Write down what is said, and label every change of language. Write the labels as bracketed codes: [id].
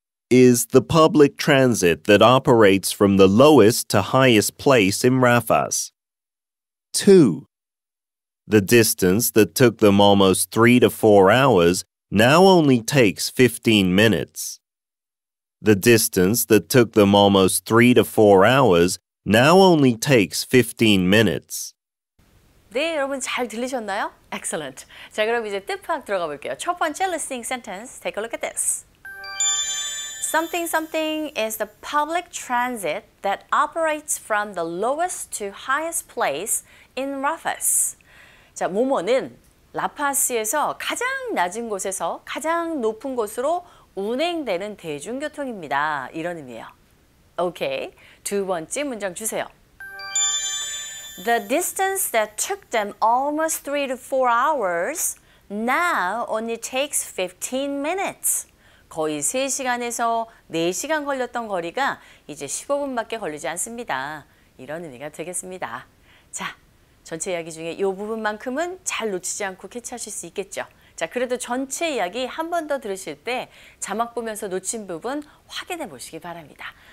[en] Is the public transit that operates from the lowest to highest place in Rafas. 2. The distance that took them almost 3 to 4 hours now only takes 15 minutes. The distance that took them almost 3 to 4 hours now only takes 15 minutes. [ko] 네, 여러분 잘 들리셨나요? [en] Excellent. [ko] 자, 그럼 이제 뜻파악 들어가 볼게요. 첫 번째 [en] listening sentence, take a look at this. Something something is the public transit that operates from the lowest to highest place in Rafas. [ko] 자, 뭐뭐는 라파스에서 가장 낮은 곳에서 가장 높은 곳으로 운행되는 대중교통입니다. 이런 의미예요. 오케이, 두 번째 문장 주세요. [en] The distance that took them almost 3 to 4 hours now only takes 15 minutes. [ko] 거의 3시간에서 4시간 걸렸던 거리가 이제 15분밖에 걸리지 않습니다. 이런 의미가 되겠습니다. 자, 전체 이야기 중에 이 부분만큼은 잘 놓치지 않고 캐치하실 수 있겠죠. 자, 그래도 전체 이야기 한 번 더 들으실 때 자막 보면서 놓친 부분 확인해 보시기 바랍니다.